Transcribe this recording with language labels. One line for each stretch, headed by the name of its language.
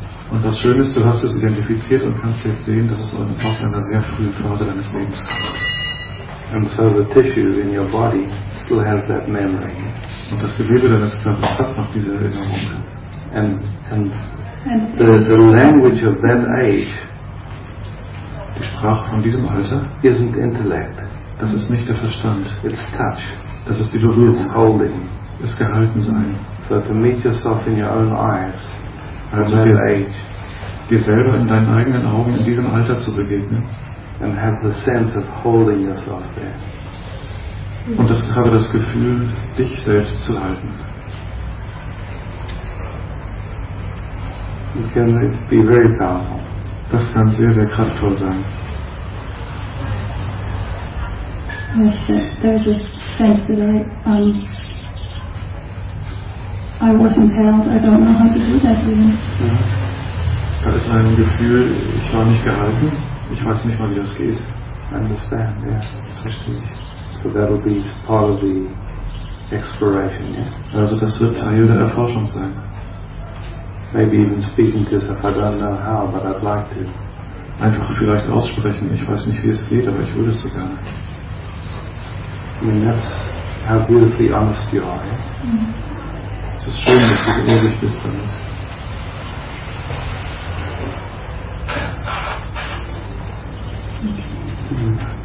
German: Und was schön ist, du hast es identifiziert und kannst jetzt sehen, dass es aus einer sehr frühen Phase deines Lebens kommt.
English: And so the tissue in your body still has that memory.
German: Und das Gewebe deines Körpers hat noch diese Erinnerung.
English: And there's a language of that age.
German: Die Sprache von diesem Alter
English: isn't intellect.
German: Das ist nicht der Verstand.
English: It's touch.
German: Das ist die Berührung.
English: It's holding.
German: Das Gehaltensein.
English: So to meet yourself in your own eyes.
German: Also dir selber in deinen eigenen Augen in diesem Alter zu begegnen.
English: And have the sense of holding yourself there.
German: Und das habe das Gefühl, dich selbst zu halten.
English: It can be very powerful.
German: Das kann sehr, sehr kraftvoll sein.
English: There's a sense that I wasn't held. I don't know how to do that even.
German: Da ist ein Gefühl, ich war nicht gehalten. Ich weiß nicht mal, wie das geht.
English: I understand, yeah.
German: Das verstehe ich.
English: So that'll be part of the exploration, yeah.
German: Also das wird Teil der Erforschung sein.
English: Maybe even speaking to yourself, I don't know how, but I'd like to.
German: Einfach vielleicht aussprechen. Ich weiß nicht, wie es geht, aber ich würde es so gerne.
English: I mean, that's how beautifully honest you are, yeah? Mm-hmm.
German: Es ist schön, dass du so ehrlich bist damit.